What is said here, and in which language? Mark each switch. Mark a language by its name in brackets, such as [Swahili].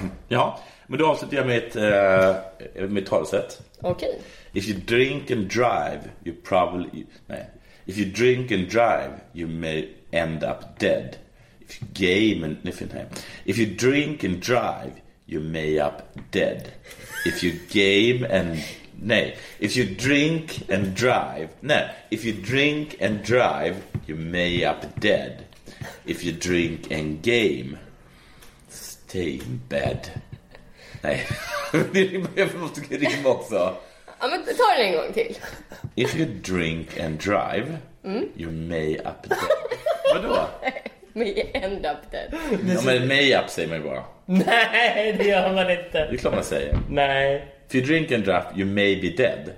[Swedish] Ja, men då avslutar jag med mitt talesätt. Okej. [English] If you drink and drive, you probably... [Swedish] Nej. [English] If you drink and drive, you may end up dead. If you game and... If you drink and drive, you may end up dead. If you game and... [Swedish] Nej. [English] If you drink and drive... Nej. If you drink and drive, you may end up dead. If you drink and game, stay in bed. [Swedish] Nej, det är måste rimma också. Ja, men ta det en gång till. [English] If you drink and drive, you may up dead. [Swedish] Vadå? [English] May end up dead. [Swedish] Ja, men may up säger man bara. Nej, det gör man inte. Det är klart man säger. Nej. [English] If you drink and drive, you may be dead.